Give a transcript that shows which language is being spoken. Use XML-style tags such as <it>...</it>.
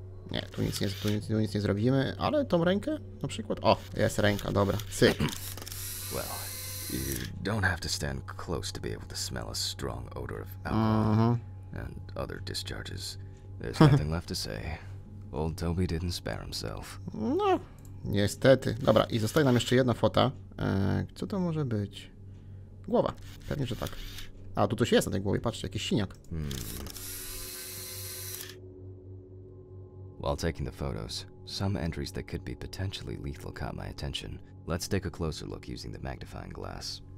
<pl>Nie, tu nic nie zrobimy, ale tą rękę na przykład. O, jest ręka, dobra. Syk.</pl> <en>Well, you don't have to stand close to be able to smell a strong odor of alcohol and other discharges. There's nothing left to say. Old Toby didn't spare himself.</en> <pl>No, niestety. Dobra, i zostaje nam jeszcze jedna fota. Co to może być? Głowa. Pewnie, że tak. A, tu coś jest na tej głowie. Patrzcie, jakiś siniak.</pl> <en>While taking the photos, some entries that could be potentially lethal caught my attention. Let's take a closer look using the magnifying glass.</en>